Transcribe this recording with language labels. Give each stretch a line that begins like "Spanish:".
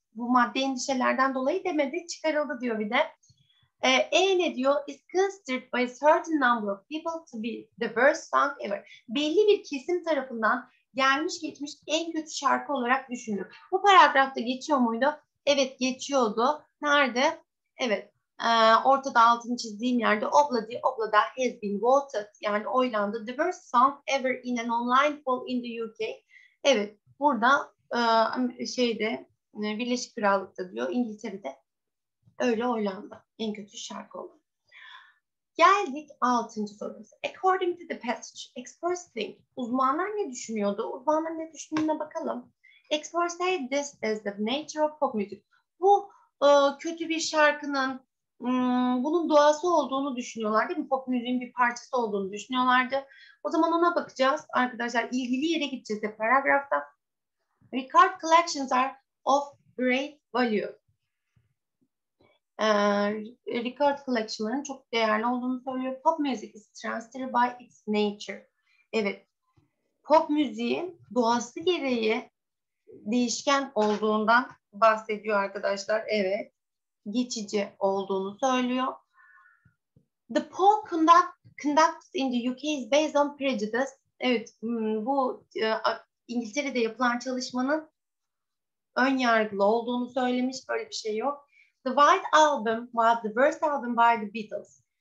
Turkish: Bu maddi endişelerden dolayı demedi, çıkarıldı diyor bir de. Ne diyor?
English: It's considered by a certain number of people to be the worst song ever.
Turkish: Belli bir kesim tarafından gelmiş geçmiş en kötü şarkı olarak düşünülür. Bu paragrafta geçiyor muydu? Evet, geçiyordu. Nerede? Evet. Ortada altını çizdiğim yerde
English: Oblady Oblada has been voted,
Turkish: yani oylandı,
English: the worst song ever in an online poll in the UK.
Turkish: Evet, burada şeyde Birleşik Krallık'ta diyor, İngiltere'de öyle oylandı, en kötü şarkı oldu. Geldik altıncı sorumuz.
English: According to the passage, experts think,
Turkish: uzmanlar ne düşünüyordu? Uzmanlar ne düşündüğüne bakalım.
English: Experts say this is the nature of pop music.
Turkish: Bu kötü bir şarkının bunun doğası olduğunu düşünüyorlar, değil mi? Pop müziğin bir parçası olduğunu düşünüyorlardı. O zaman ona bakacağız arkadaşlar. İlgili yere gideceğiz de paragrafta.
English: Record collections are of great value.
Turkish: Record collection'ların çok değerli olduğunu söylüyor.
English: Pop music is transferred by its nature. Evet.
Turkish: Pop müziğin doğası gereği değişken olduğundan bahsediyor arkadaşlar. Evet. Geçici olduğunu söylüyor.
English: The poll conducted in the UK is based on prejudice.
Turkish: Evet, bu İngiltere'de yapılan çalışmanın ön yargılı olduğunu söylemiş. Böyle bir şey yok.
English: The White Album was the worst album by the Beatles.